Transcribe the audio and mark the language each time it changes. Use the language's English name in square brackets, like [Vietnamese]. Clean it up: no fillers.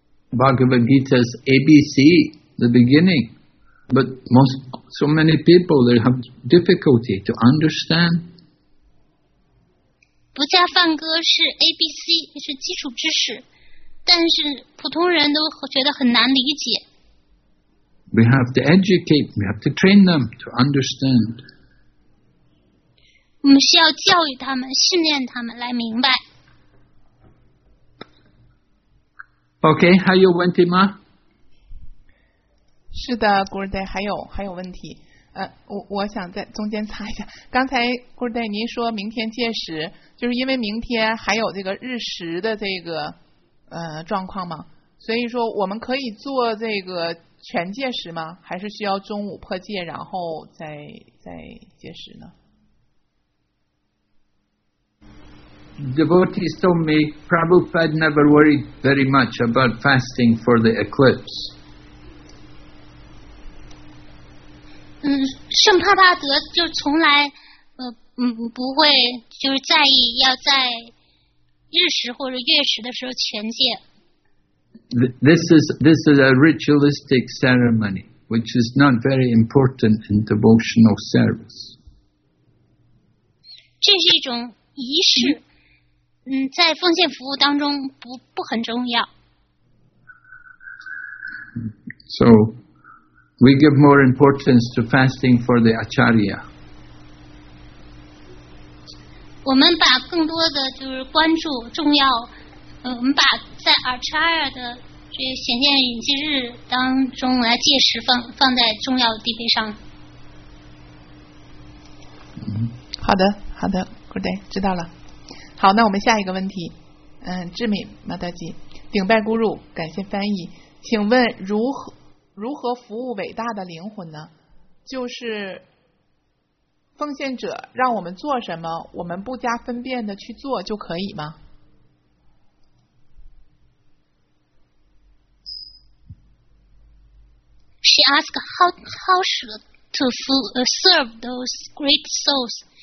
[English] Bhagavad Gita's ABC, the beginning, but so many people they have difficulty to understand. [Chinese] 博伽梵歌是 ABC, 是基础知识，但是普通人都觉得很难理解。 [English] We have to educate, we have to train them to understand. [Chinese] 我们需要教育他们，训练他们来明白。 Okay, 还有问题吗？是的 ,Gurudev, 还有问题。我想在中间插一下。刚才 Gurudev, 您说明天届时，就是因为明天还有这个日食的这个状况吗？所以说我们可以做这个全戒食吗？还是需要中午破戒然后再戒食呢？ [English] Devotees told me Prabhupada never worried very much about fasting for the eclipse. [Chinese] 圣帕帕德就从来不会就是在意要在日食或者月食的时候全戒。 [English] This is a ritualistic ceremony, which is not very important in devotional service. [Chinese] 这是一种仪式，在奉献服务当中不很重要。 [English] So, we give more importance to fasting for the acharya. [Chinese] 我们把更多的就是关注重要，我们把在 acharya 的这显现隐居日当中来戒食放在重要的地位上。好的好的 , [English] good day, [Chinese] 知道了。好，那我们下一个问题。智敏马大吉，顶拜咕噜，感谢翻译。请问如何服务伟大的灵魂呢？就是奉献者让我们做什么，我们不加分辨的去做就可以吗？ [English] ask how should to serve those great souls.